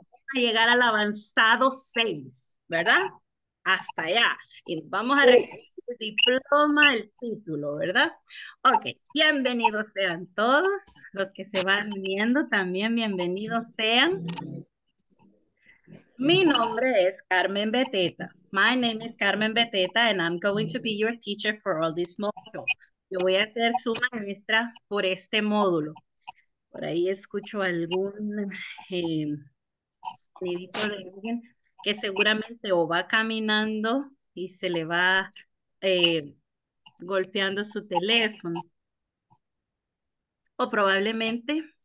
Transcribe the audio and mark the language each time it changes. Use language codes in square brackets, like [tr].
[es] van a llegar al avanzado 6, ¿verdad? Hasta allá. Y vamos a recibir Sí. el diploma, el título, ¿verdad? Ok, bienvenidos sean todos los que se van uniendo, también bienvenidos sean. Mi nombre es Carmen Beteta. [en] My name is Carmen Beteta and I'm going to be your teacher for all this module. [es] Yo voy a ser su maestra por este módulo. Por ahí escucho algún grito de alguien que seguramente o va caminando y se le va golpeando su teléfono. O probablemente